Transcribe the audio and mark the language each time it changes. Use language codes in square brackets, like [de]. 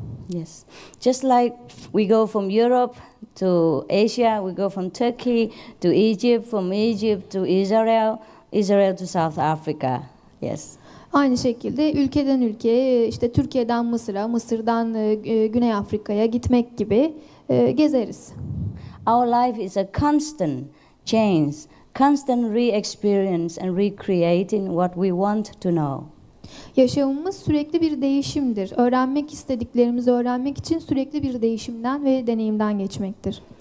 [en] Yes. Just like we go from Europe to Asia, we go from Turkey to Egypt, from Egypt to Israel, Israel to South Africa. Yes. [tr] Aynı şekilde ülkeden ülkeye, işte Türkiye'den Mısır'a, Mısır'dan Güney Afrika'ya gitmek gibi gezeriz. [en] Our life is a constant change, constant re-experience and recreating what we want to know. [tr] Yaşamımız sürekli bir değişimdir. Öğrenmek istediklerimizi öğrenmek için sürekli bir değişimden ve deneyimden geçmektir.